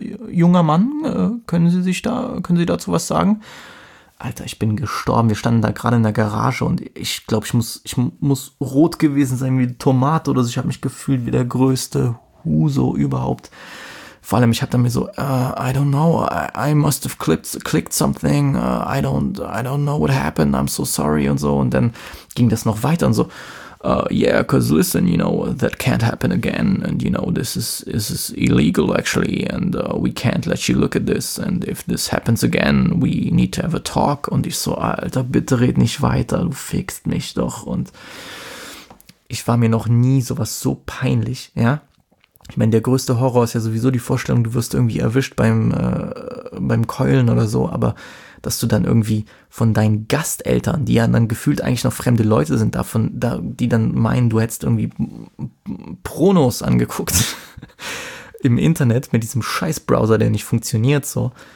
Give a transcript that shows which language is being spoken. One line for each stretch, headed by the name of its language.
German: Junger Mann, können Sie dazu was sagen? Alter, ich bin gestorben. Wir standen da gerade in der Garage und ich glaube, ich muss rot gewesen sein wie Tomate oder so. Ich habe mich gefühlt wie der größte Huso überhaupt. Vor allem, ich habe dann mir so,
English: I don't know, I must have clicked something, I don't know what happened, I'm so sorry
German: und so. Und dann ging das noch weiter und so,
English: yeah, because listen, you know, that can't happen again. And you know, this is illegal actually, and we can't let you look at this. And if this happens again, we need to have a talk.
German: Und ich so, Alter, bitte red nicht weiter, du fickst mich doch. Und ich war mir noch nie sowas so peinlich, ja. Ich meine, der größte Horror ist ja sowieso die Vorstellung, du wirst irgendwie erwischt beim Keulen oder so, aber dass du dann irgendwie von deinen Gasteltern, die ja dann gefühlt eigentlich noch fremde Leute sind, die dann meinen, du hättest irgendwie Pornos angeguckt im Internet mit diesem Scheißbrowser, der nicht funktioniert, so.